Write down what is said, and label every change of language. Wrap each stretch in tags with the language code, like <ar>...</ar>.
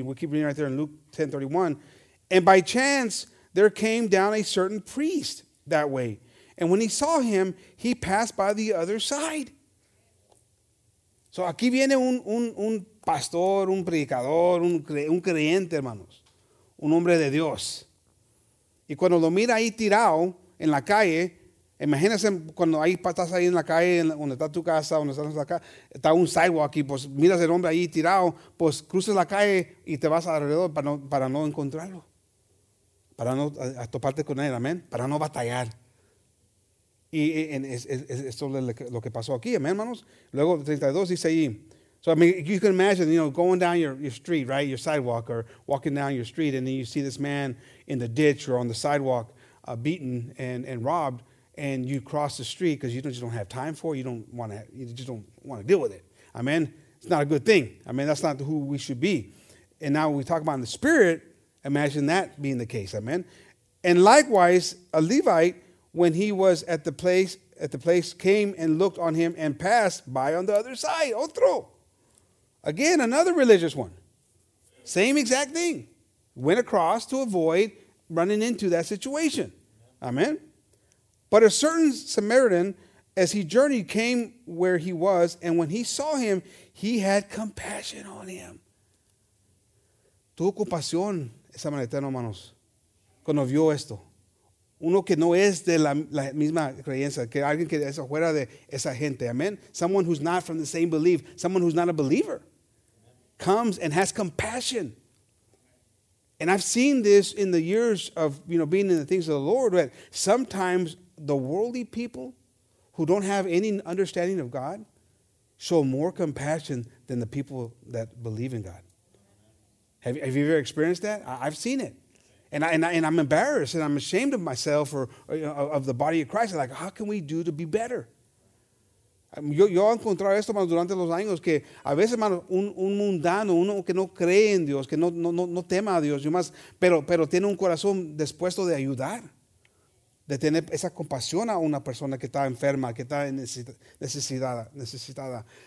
<en>We keep reading right there in Luke 10:31. And by chance there came down a certain priest that way. And when he saw him, he passed by the other side.</en> <es>So aquí viene un pastor, un predicador, un creyente, hermanos, un hombre de Dios. Y cuando lo mira ahí tirado en la calle, imagínense cuando ahí estás ahí en la calle, donde está tu casa, donde estás acá, está un sidewalk aquí, pues miras el hombre ahí tirado, pues cruzas la calle y te vas alrededor para no encontrarlo, para no toparte con él, amén, para no batallar. Y esto es lo que pasó aquí, amén, hermanos. Luego, 32 dice ahí.</es> <en>So, I mean, you can imagine, you know, going down your street, right, your sidewalk, or walking down your street, and then you see this man in the ditch or on the sidewalk beaten and robbed, and you cross the street because you just don't have time for it. You just don't want to deal with it. Amen? It's not a good thing. I mean, that's not who we should be. And now when we talk about in the spirit, imagine that being the case. Amen? And likewise, a Levite, when he was at the place, came and looked on him and passed by on the other side.</en> <es>Otro.</es> <en>Again, another religious one. Same exact thing. Went across to avoid running into that situation. Amen? But a certain Samaritan, as he journeyed, came where he was, and when he saw him, he had compassion on him.</en> <es>Tuvo compasión ese samaritano, hermanos, cuando vio esto. Uno que no es de la misma creencia, que alguien que es afuera de esa gente.</es> <en>Amen? Someone who's not from the same belief, someone who's not a believer, comes and has compassion. And I've seen this in the years of, you know, being in the things of the Lord, that sometimes the worldly people who don't have any understanding of God show more compassion than the people that believe in God. Have you ever experienced that? I've seen it. And I'm embarrassed and I'm ashamed of myself or you know, of the body of Christ. Like, how can we do to be better?</en> <es>Yo he encontrado esto, hermanos, durante los años, que a veces, hermanos, un mundano, uno que no cree en Dios, que no tema a Dios, yo más, pero tiene un corazón dispuesto de ayudar, de tener esa compasión a una persona que está enferma, que está necesitada.</es>